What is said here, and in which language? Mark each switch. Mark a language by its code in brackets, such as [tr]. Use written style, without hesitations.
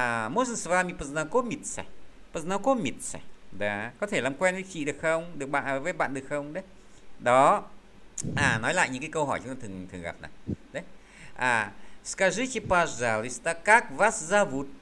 [ru] Можно с вами познакомиться? Познакомиться. Да. [vi] Có thể làm quen với chị được không? Được bạn với bạn được không? Đấy. Đó. Nói lại những cái câu hỏi chúng ta thường thường gặp này. Đấy. [ru] Скажите, пожалуйста, как вас зовут?